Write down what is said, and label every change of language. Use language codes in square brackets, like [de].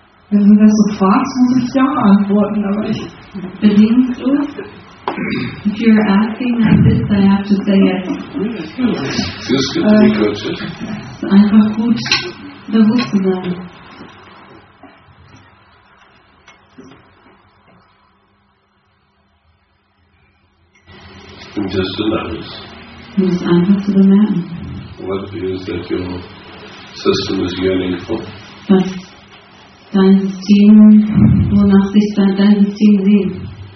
[de] Wenn du das so fragst, muss ich ja antworten, aber ich bediene es so. [en] If you're asking like this, then I have to say yes. Feels good to be coached. [de] Es ist einfach gut, bewusst zu sein. Und [en] just to notice. [de] Und es einfach zu bemerken. [en] What is that you're system is yearning for. [de] Was dein System, wonach sich dein System sehnt.